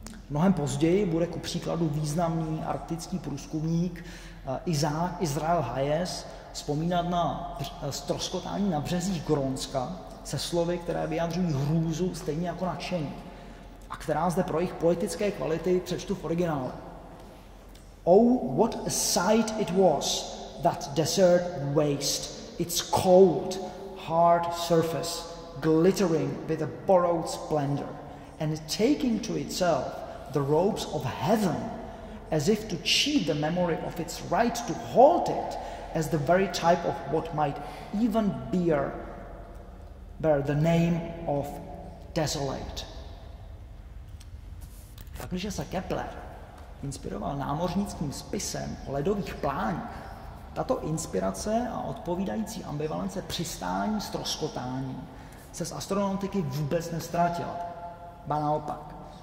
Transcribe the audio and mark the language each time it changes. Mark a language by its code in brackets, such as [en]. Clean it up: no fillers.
[cs] Mnohem později bude ku příkladu významný arktický průzkumník Israel Hayes vzpomínat na ztroskotání na březích Grónska se slovy, které vyjadřují hrůzu stejně jako nadšení a která zde pro jejich politické kvality přečtu v originále. [en] Oh, what a sight it was, that desert waste, its cold, hard surface, glittering with a borrowed splendor, and taking to itself the robes of heaven, as if to cheat the memory of its right to halt it as the very type of what might even bear the name of desolate. [cs] Pakliže se Kepler inspiroval námořnickým spisem o ledových pláních, tato inspirace a odpovídající ambivalence přistání ztroskotání se z astronautiky vůbec neztratila. Ba naopak.